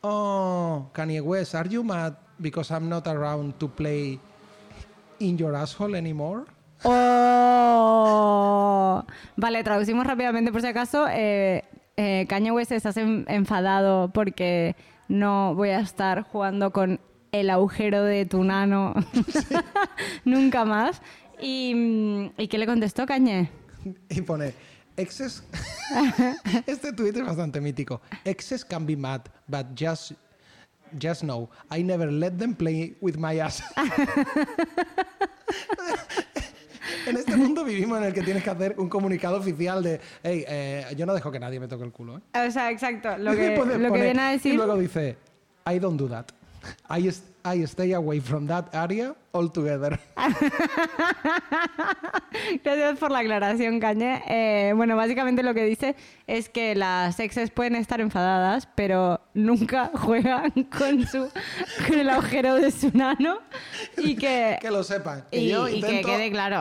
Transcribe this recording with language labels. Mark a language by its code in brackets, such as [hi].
[en] oh, Kanye West, are you mad because I'm not around to play in your asshole anymore? [es] Oh. Vale, traducimos rápidamente por si acaso. Kanye West estás enfadado porque no voy a estar jugando con el agujero de tu nano nunca más. ¿Y qué le contestó Kanye? Y pone, exes... este tweet es bastante mítico. [en] Exes can be mad, but just know, I never let them play with my ass. [es] En este mundo vivimos en el que tienes que hacer un comunicado oficial de, hey, yo no dejo que nadie me toque el culo, ¿eh? O sea, exacto. Lo que viene a decir... Y luego dice, [en] I don't do that. I stay away from that area altogether. [es] Gracias por la aclaración, Kanye. Bueno, básicamente lo que dice es que las exes pueden estar enfadadas, pero nunca juegan con el agujero de su nano. Y que lo sepan. Y yo intento que quede claro.